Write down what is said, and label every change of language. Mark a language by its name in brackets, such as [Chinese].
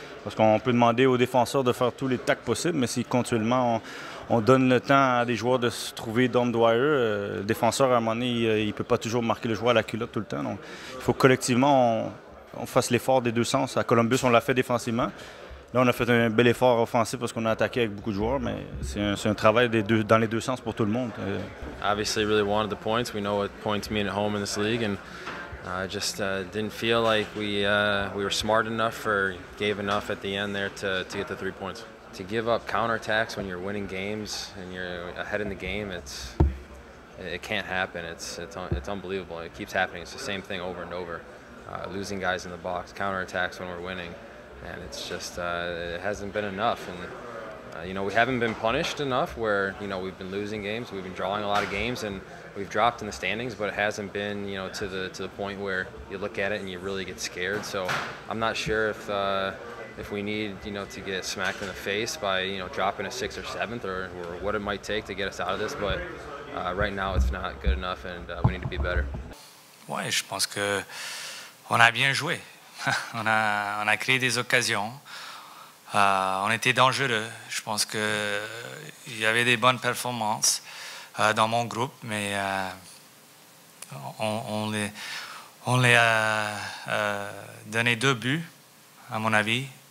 [French] Parce qu'on peut demander aux défenseurs de faire tous les tacs possibles, mais si continuellement on donne le temps à des joueurs de se trouver [English] down the wire, [French] le défenseur, à un moment donné, il ne peut pas toujours marquer le joueur à la culotte tout le temps. Donc, il faut collectivement on fasse l'effort des deux sens. À Columbus, on l'a fait défensivement. Là, on a fait un bel effort offensif parce qu'on a attaqué avec beaucoup de joueurs, mais c'est un travail dans les deux sens pour tout le monde. [English] Obviously, really wanted the points. We know what points mean at home in this league, and didn't feel like we were smart enough or gave enough at the end there to get the 3 points. To give up counterattacks when you're winning games and you're ahead in the game, it can't happen. It's unbelievable. It keeps happening. It's the same thing over and over. Losing guys in the box, counterattacks when we're winning. And it's just, it hasn't been enough. And, you know, we haven't been punished enough where, you know, we've been losing games, we've been drawing a lot of games, and we've dropped in the standings, but it hasn't been, you know, to the point where you look at it and you really get scared. So I'm not sure if we need, you know, to get smacked in the face by, you know, dropping a 6th or 7th or what it might take to get us out of this. But right now it's not good enough, and we need to be better. [French] Ouais, je pense que on a bien joué. on a créé des occasions. On était dangereux. Je pense que il y avait des bonnes performances dans mon groupe, mais on les a donné 2 buts, à mon avis.